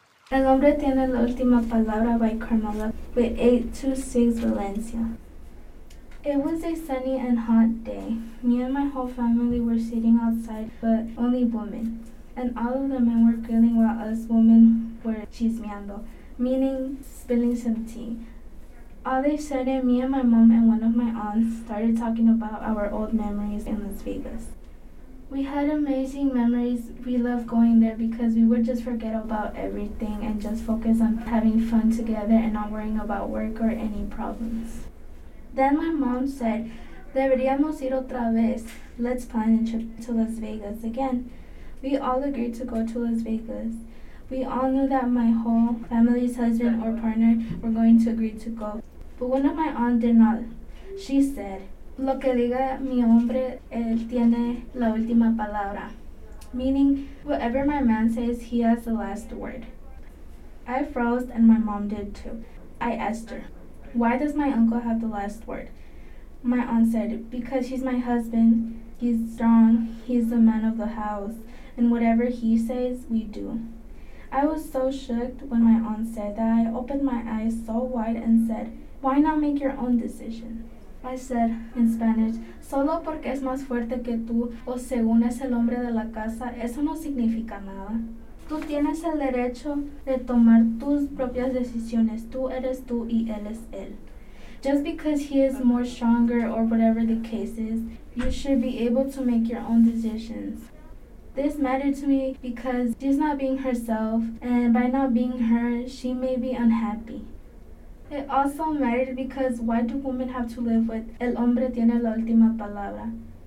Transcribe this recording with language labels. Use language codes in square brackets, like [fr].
[es] El hombre tiene la última palabra by Carmela with 826 Valencia. [en] It was a sunny and hot day. Me and my whole family were sitting outside, but only women. And all of the men were grilling while us women were chismeando, meaning spilling some tea. All of a sudden, me and my mom and one of my aunts started talking about our old memories in Las Vegas. We had amazing memories. We loved going there because we would just forget about everything and just focus on having fun together and not worrying about work or any problems. Then my mom said, [es] "Deberíamos ir otra vez. [en] Let's plan a trip to Las Vegas again." We all agreed to go to Las Vegas. We all knew that my whole family's husband or partner were going to agree to go. But one of my aunts did not. She said, [es] "Lo que diga mi hombre, él tiene la última palabra." [en] Meaning, whatever my man says, he has the last word. I froze and my mom did too. I asked her, "Why does my uncle have the last word?" My aunt said, "Because he's my husband, he's strong, he's the man of the house, and whatever he says, we do." I was so shook when my aunt said that I opened my eyes so wide and said, "Why not make your own decision?" I said in Spanish, [es] "Solo porque es más fuerte que tú o según es el hombre de la casa, eso no significa nada. Tú tienes el derecho de tomar tus propias decisiones. Tú eres tú y él es él. [en] Just because he is more stronger or whatever the case is, you should be able to make your own decisions." This mattered to me because she's not being herself, and by not being her, she may be unhappy. It also mattered because why do women have to live with [es] "el hombre tiene la última palabra"?